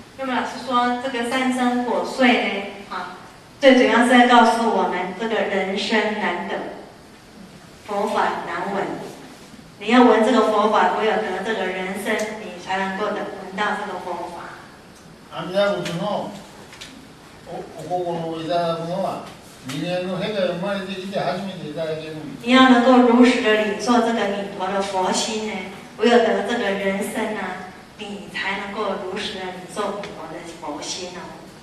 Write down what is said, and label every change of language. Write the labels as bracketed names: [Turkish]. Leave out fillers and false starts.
[Chinese] 那么老师说，这个三生火碎呢，最主要是在告诉我们，这个人生难得，佛法难闻。你要闻这个佛法，唯有得这个人生，你才能够得闻到这个佛法。 [Japanese] 阿弥陀仏の お心をいただくのは人間の世界生まれてきて初めていただけるの。 [Chinese] 你要能够如实的领受这个弥陀的佛心呢，唯有得这个人生呢，你才能够如实的领受弥陀的佛心哦。